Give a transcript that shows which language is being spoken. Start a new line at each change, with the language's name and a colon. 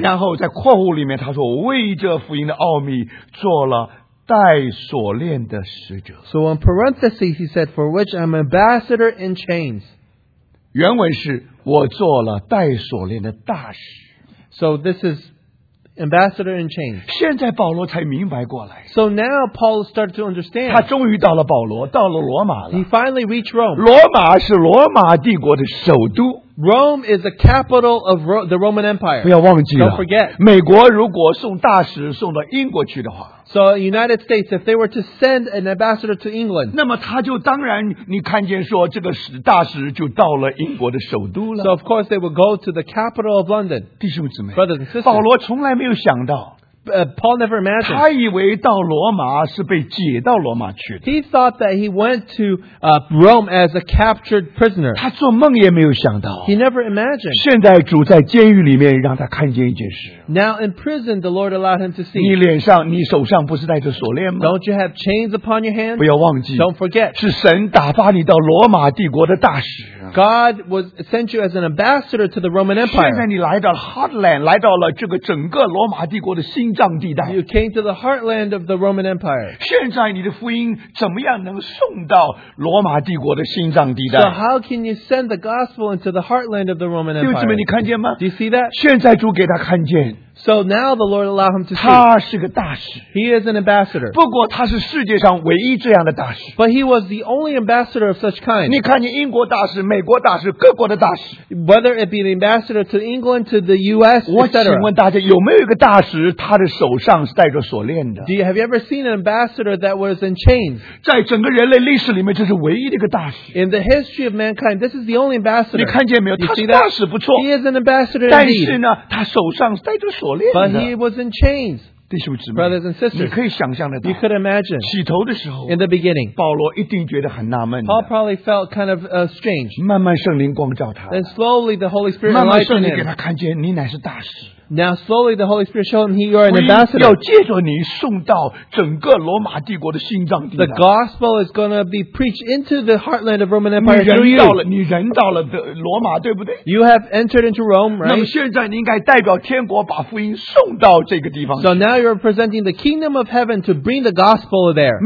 Chinese: 然后在括弧里面他说，为这福音的奥秘做了带锁链的使者。
English: So in parentheses he said, for which I'm ambassador in chains.
Chinese: 原文是我做了带锁链的大使。
English: So this is. Ambassador in chains.
Chinese: 现在保罗才明白过来。
English: So now Paul started to understand.
Chinese: 他终于到了保罗，到了罗马了。
English: He finally reached Rome.
Chinese: 罗马是罗马帝国的首都。
English: Rome is the capital of the Roman Empire.
Chinese: 不要忘记了。
English: Don't forget.
Chinese: 美国如果送大使送到英国去的话。
English: So United States, if they were to send an ambassador to England.
Chinese: 那么他就当然，你看见说这个大使就到了英国的首都了。
English: So of course they would go to the capital of London.
Chinese: 弟兄姊妹
English: ，brothers and sisters,
Chinese: 保罗从来没有想到。
English: Paul never imagined.
Chinese: 他以为到罗马是被解到罗马去的。
English: He thought that he went to Rome as a captured prisoner.
Chinese: 他做梦也没有想到。
English: He never imagined.
Chinese: 现在主在监狱里面让他看见一件事。
English: Now in prison, the Lord allowed him to see.
Chinese: 你脸上、你手上不是带着锁链吗
English: ？Don't you have chains upon your hands?
Chinese: 不要忘记。
English: Don't forget.
Chinese: 是神打发你到罗马帝国的大使。
English: God was sent you as an ambassador to the Roman Empire.
Chinese: 现在你来到了 Heartland， 来到了这个整个罗马帝国的心。
English: You came to the heartland of the Roman Empire.
Chinese: 现在你的福音怎么样能送到罗马帝国的心脏地带
English: ？So how can you send the gospel into the heartland of the Roman Empire?
Chinese: 弟兄姊妹，你看见吗
English: ？Do you see that?
Chinese: 现在主给他看见。
English: So now the Lord allowed him to see.
Chinese: 他是个大使。
English: He is an ambassador.
Chinese: 不过他是世界上唯一这样的大使。
English: But he was the only ambassador of such kind.
Chinese: 你看见英国大使、美国大使、各国的大使。
English: Whether it be an ambassador to England, to the U.S., etc.
Chinese: 我请问大家，有没有一个大使，他的手上是带着锁链的
English: ？Have you ever seen an ambassador that was in chains?
Chinese: 在整个人类历史里面，这是唯一的一个大使。
English: In the history of mankind, this is the only ambassador.
Chinese: 你看见没有？他是大使不错。
English: He is an ambassador.
Chinese: 但是呢，他手上是带着锁链。
English: But he was in chains.
Chinese: 弟兄姊妹,
English: brothers and sisters,
Chinese: 你可以想象得到,
English: you could imagine,
Chinese: 起头的时候,
English: in the beginning,
Chinese: 保罗一定觉得很纳闷的,
English: Paul probably felt kind of strange.
Chinese: 慢慢圣灵光照他,
English: then slowly the Holy Spirit enlightened him.
Chinese: 慢慢圣灵给他看见, 你乃是大使。
English: Now slowly the Holy Spirit showed him you are an ambassador.
Chinese: 要借着你送到整个罗马帝国的心脏地。
English: The gospel is going to be preached into the heartland of Roman Empire through you.
Chinese: 你人到了罗马，对不对？
English: You have entered into Rome, right?
Chinese: 那么现在你应该代表天国把福音送到这个地方。
English: So now you're presenting the kingdom of heaven to bring the gospel there.